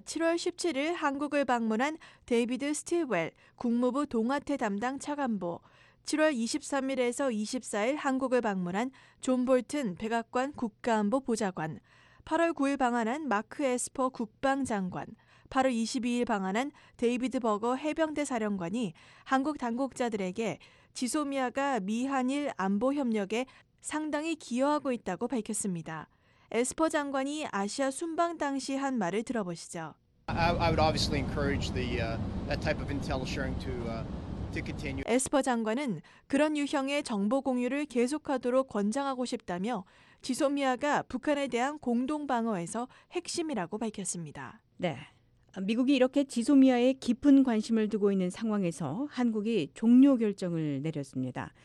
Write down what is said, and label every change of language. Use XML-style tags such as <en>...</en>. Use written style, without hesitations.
<ko>7월 17일 한국을 방문한 데이비드 스틸웰 국무부 동아태 담당 차관보, 7월 23일에서 24일 한국을 방문한 존 볼튼 백악관 국가안보 보좌관, 8월 9일 방한한 마크 에스퍼 국방장관, 8월 22일 방한한 데이비드 버거 해병대 사령관이 한국 당국자들에게 지소미아가 미한일 안보협력에 상당히 기여하고 있다고 밝혔습니다. 에스퍼 장관이 아시아 순방 당시 한 말을 들어보시죠.</ko> <en>I would obviously encourage the that type of intel sharing to continue.</en> <ko>에스퍼 장관은 그런 유형의 정보 공유를 계속하도록 권장하고 싶다며 지소미아가 북한에 대한 공동 방어에서 핵심이라고 밝혔습니다. 네. 미국이 이렇게 지소미아에 깊은 관심을 두고 있는 상황에서 한국이 종료 결정을 내렸습니다.</ko>